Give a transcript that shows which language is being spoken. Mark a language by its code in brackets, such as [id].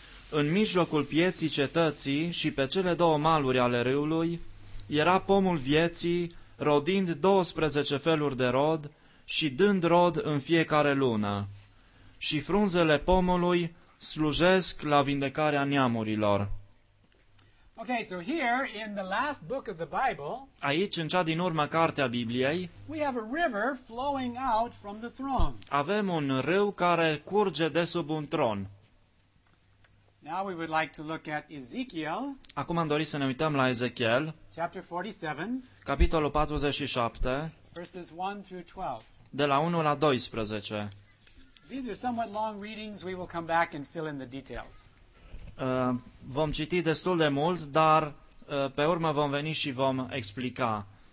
[ro] În mijlocul pieții cetății și pe cele două maluri ale râului, era pomul vieții, rodind 12 feluri de rod și dând rod în fiecare lună. Și frunzele pomului slujesc la vindecarea neamurilor. [en] Okay, so here in the last book of the Bible, [ro] aici în cea din urmă carte a Bibliei, [en] we have a river flowing out from the throne. [ro] Avem un râu care curge de sub un tron. [en] Now we would like to look at Ezekiel. [ro] Acum am dorit să ne uităm la Ezekiel. [en] Chapter 47. [ro] Capitolul 47. [en] Verses 1 through 12. [ro] De la 1 la 12. [en] These are somewhat long readings. We will come back and fill in the details. [ro] Vom citi destul de mult, dar pe urmă vom veni și vom explica.